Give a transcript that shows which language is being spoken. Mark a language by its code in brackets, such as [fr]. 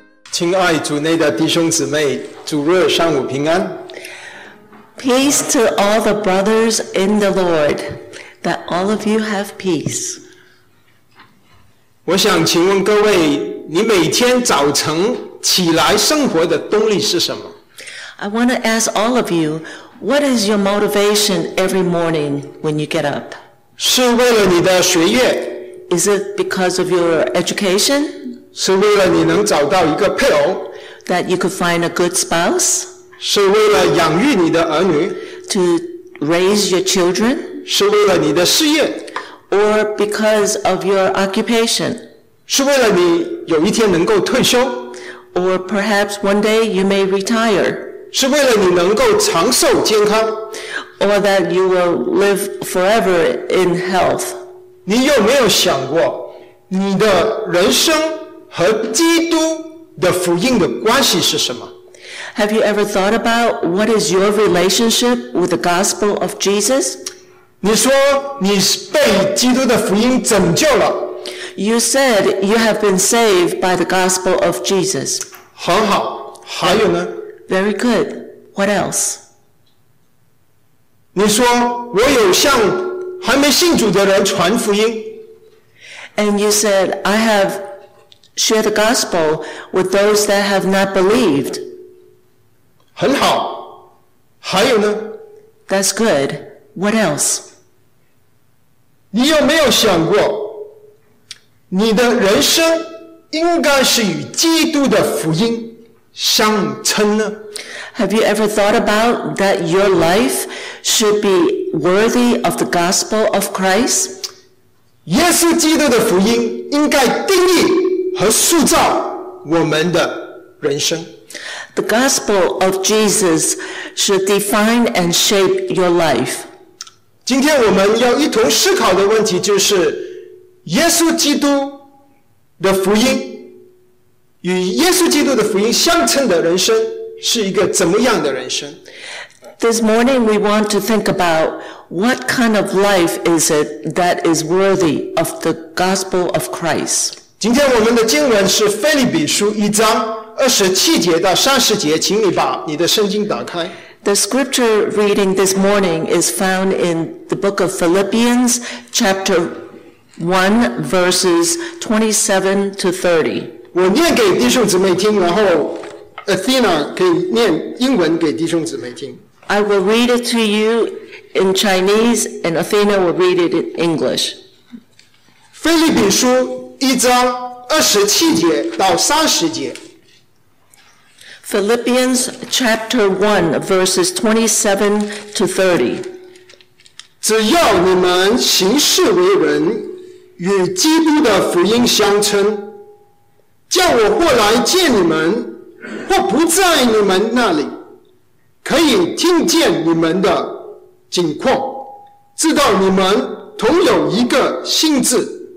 [zh] 亲爱主内的弟兄姊妹，主日上午平安。 [en] Peace to all the brothers in the Lord, that all of you have peace. [zh] 我想请问各位，你每天早晨起来生活的动力是什么？ [en] I want to ask all of you, what is your motivation every morning when you get up? [zh] 是为了你的学业？ [en] Is it because of your education? [zh] 是为了你能找到一个配偶 [en] ，that you could find a good spouse， [zh] 是为了养育你的儿女 [en] ，to raise your children， [zh] 是为了你的事业 [en] ，or because of your occupation， [zh] 是为了你有一天能够退休 [en] ，or perhaps one day you may retire， [zh] 是为了你能够长寿健康 [en] ，or that you will live forever in health。 [zh] 你有没有想过你的人生？和基督的福音的关系是什么？ [en] Have you ever thought about what is your relationship with the gospel of Jesus? [zh] 你说你被基督的福音拯救了。 [en] You said you have been saved by the gospel of Jesus. [zh] 很好，还有呢？ [en] Very good. What else? [zh] 你说我有向还没信主的人传福音。 [en] And you said I haveshare the gospel with those that have not believed. [zh] 很好，还有呢？ [en] That's good. What else? [zh] 你有没有想过，你的人生应该是与基督的福音相称呢？ [en] Have you ever thought about that your life should be worthy of the gospel of Christ? [zh] 耶稣基督的福音应该定义和塑造我们的人生。 [en] The gospel of Jesus should define and shape your life. [zh] 今天我们要一同思考的问题就是，耶稣基督的福音，与耶稣基督的福音相称的人生是一个怎么样的人生？ [en] This morning we want to think about what kind of life is it that is worthy of the gospel of Christ? [zh] 今天我们的经文是腓立比书一章二十七节到三十节，请你把你的圣经打开。 [en] The scripture reading this morning is found in the book of Philippians, chapter 1, verses 27 to 30. [zh] 我念给弟兄姊妹听，然后 Athena 可以念英文给弟兄姊妹听。 [en] I will read it to you in Chinese, and Athena will read it in English. [zh] 腓立比书一章二十七节到三十节。 [en] Philippians chapter 1 verses 27 to 30。 [zh] 只要你们行事为人与基督的福音相称，叫我或来见你们，或不在你们那里，可以听见你们的景况，知道你们同有一个心志。